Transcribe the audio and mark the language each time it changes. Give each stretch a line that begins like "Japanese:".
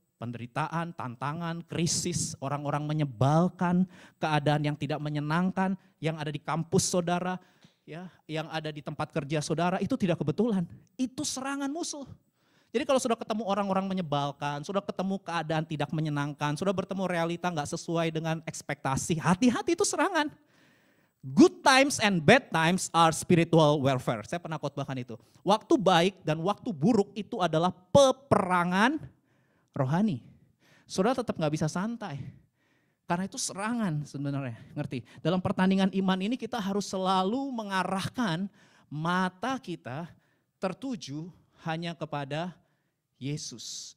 Indonesian: Penderitaan, tantangan, krisis, orang-orang menyebalkan, keadaan yang tidak menyenangkan, yang ada di kampus saudara, ya, yang ada di tempat kerja saudara, itu tidak kebetulan. Itu serangan musuh. Jadi kalau sudah ketemu orang-orang menyebalkan, sudah ketemu keadaan tidak menyenangkan, sudah bertemu realita nggak sesuai dengan ekspektasi, hati-hati itu serangan.
English: Good times and bad times are spiritual warfare.
Indonesian: Saya pernah khotbahkan itu. Waktu baik dan waktu buruk itu adalah peperangan rohani. Saudara tetap gak bisa santai. Karena itu serangan sebenarnya. Ngerti? Dalam pertandingan iman ini kita harus selalu mengarahkan mata kita tertuju hanya kepada Yesus.